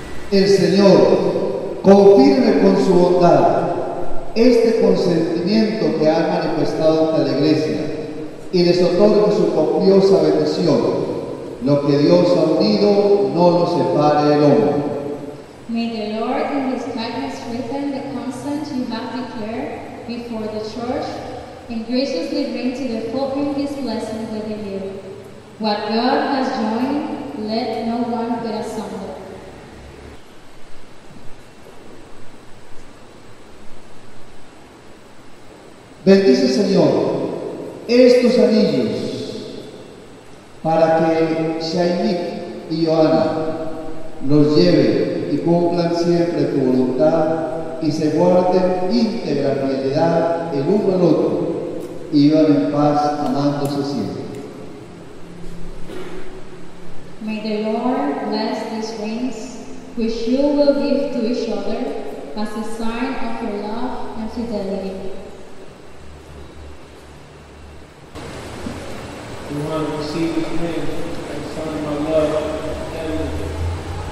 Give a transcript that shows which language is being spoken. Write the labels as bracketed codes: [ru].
[es] El Señor confirme con su bondad este consentimiento que ha manifestado ante la Iglesia y les otorgue su copiosa bendición. Lo que Dios ha unido, no lo separe el hombre. [en] May the Lord in His kindness strengthen the consent you have declared before the Church and graciously bring to the fulfilling His blessing within you. What God has joined, let no one get asunder. [es] Bendice, Señor, estos anillos para que Shainik y Johanna los lleven y cumplan siempre tu voluntad y se guarden íntegra fidelidad el uno al otro y vivan en paz amándose siempre. [en] May the Lord bless these rings which you will give to each other as a sign of your love and fidelity. You want to receive this ring as a sign of my love and fidelity.